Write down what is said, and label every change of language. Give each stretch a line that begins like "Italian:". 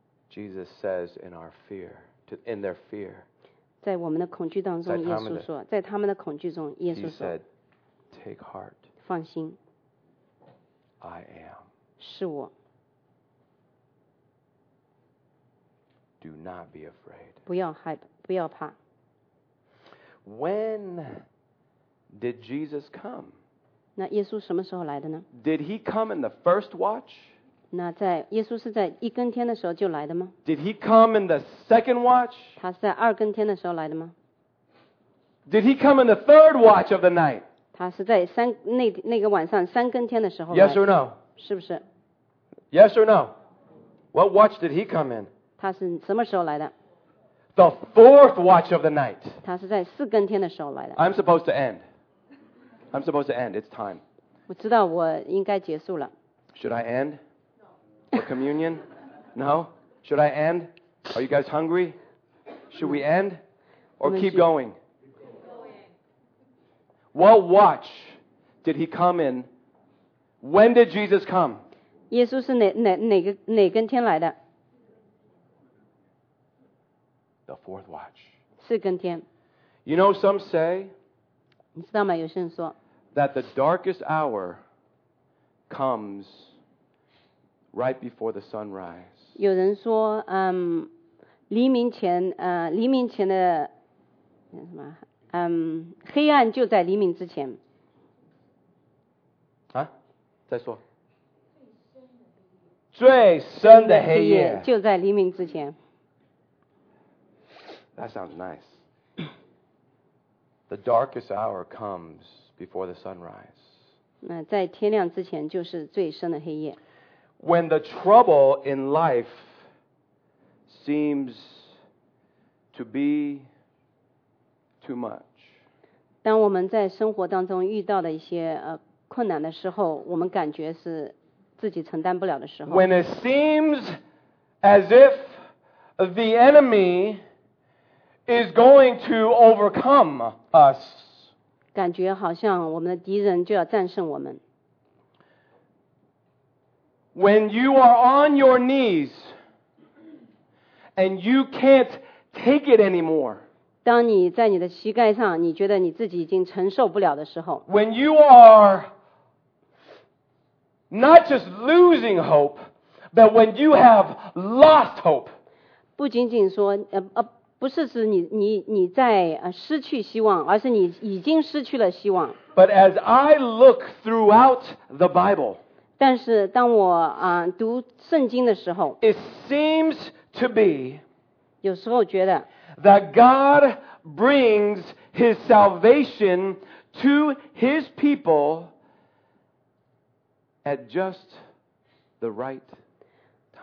English: Jesus says in our fear, in their fear.
Chinese: 在我们的恐惧当中，耶稣说，在他们的恐惧中，耶稣说。
English: He said, "Take heart."
Chinese: 放心。
English: I am.
Chinese: 是我。
English: Do not be afraid.
Chinese: 不要害怕，不要怕。
English: When did Jesus come?
Chinese: 那耶稣什么时候来的呢
English: ？Did he come in the first watch?
Chinese: 那在耶稣是在一更天的时候就来的吗？
English: Did he come in the second watch?
Chinese: 他是在二更天的时候来的吗？
English: Did he come in the third watch of the night?
Chinese: 他是在三那个晚上三更天的时候来
English: 的。 Yes or no?
Chinese: 是不是？
English: Yes or no? What watch did he come in?
Chinese: 他是什么时候来的？
English: The fourth watch of the night.
Chinese: 他是在四更天的时候来的。
English: I'm supposed to end. It's time.
Chinese: 我知道我应该结束了。
English: Should I end? For communion? No? Should I end? Are you guys hungry? Should we end? Or keep going? What watch did he come in? When did Jesus come?
Chinese: 耶稣是哪根天来的？
English: The fourth watch.
Chinese: 四根天。
English: You know, some say,
Chinese: 你知道吗？有些人说,
English: that the darkest hour comes right before the sunrise.
Chinese: 有人说，黎明前，黎明前的什么，黑暗就在黎明之前。啊？再说。最深的黑夜就在黎明之前。
English: That sounds nice. The darkest hour comes before the sunrise.
Chinese: 那在天亮之前就是最深的黑夜。
English: When the trouble in life seems to be too much.
Chinese: 当我们在生活当中遇到的一些困难的时候，我们感觉是自己承担不了的时候。
English: When it seems as if the enemy is going to overcome us.
Chinese: 感觉好像我们的敌人就要战胜我们。
English: When you are on your knees and you can't take it anymore.
Chinese: 当你在你的膝盖上，你觉得你自己已经承受不了的时候。
English: When you are not just losing hope, but when you have lost hope.
Chinese: 不仅仅说不是指你在失去希望，而是你已经失去了希望。
English: But as I look throughout the Bible,
Chinese: 但是当我读圣经的时候，
English: it seems to be,
Chinese: 有时候觉得，
English: that God brings his salvation to his people at just the right time.